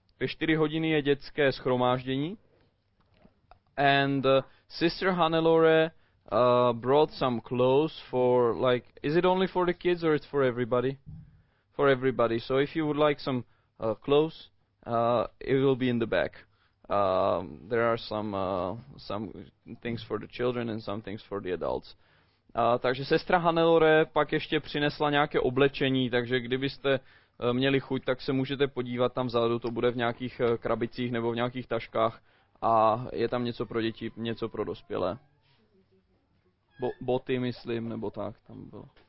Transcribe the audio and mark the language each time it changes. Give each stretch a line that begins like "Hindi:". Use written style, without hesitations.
Czech: Ve 4 hodiny je dětské shromáždění.
English: And Sister Hannelore brought some clothes for, like, is it only for the kids or it's for everybody? For everybody. So if you would like some clothes, it will be in the back. There are some things for the children and some things for the adults.
Czech: Takže sestra Hannelore pak ještě přinesla nějaké oblečení, takže kdybyste měli chuť, tak se můžete podívat tam vzadu, to bude v nějakých krabicích nebo v nějakých taškách a je tam něco pro děti, něco pro dospělé. Boty, myslím, nebo tak tam bylo.